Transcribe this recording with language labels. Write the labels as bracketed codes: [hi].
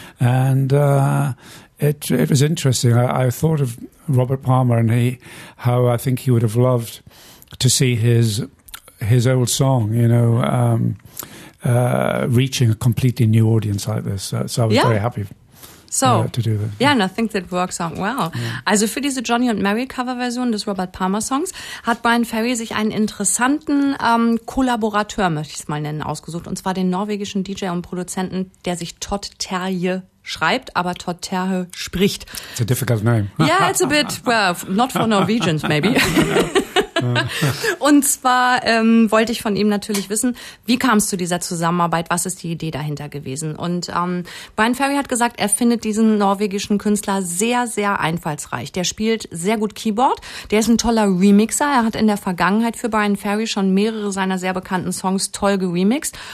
[en] And it was interesting. I thought of Robert Palmer and how I think he would have loved to see his old song, you know, reaching a completely new audience like this. So I was very happy. So, yeah, and I think that works out well. Yeah. [de] Also für diese Johnny und Mary Coverversion des Robert Palmer Songs hat Brian Ferry sich einen interessanten Kollaborateur, möchte ich es mal nennen, ausgesucht. Und zwar den norwegischen DJ und Produzenten, der sich Todd Terje schreibt, aber Todd Terje spricht. [en] It's a difficult name. Yeah, it's a bit, well, not for Norwegians maybe. [de] Und zwar wollte ich von ihm natürlich wissen, wie kam es zu dieser Zusammenarbeit, was ist die Idee dahinter gewesen? Und Brian Ferry hat gesagt, er findet diesen norwegischen Künstler sehr, sehr einfallsreich. Der spielt sehr gut Keyboard, der ist ein toller Remixer. Er hat in der Vergangenheit für Brian Ferry schon mehrere seiner sehr bekannten Songs toll geremixt.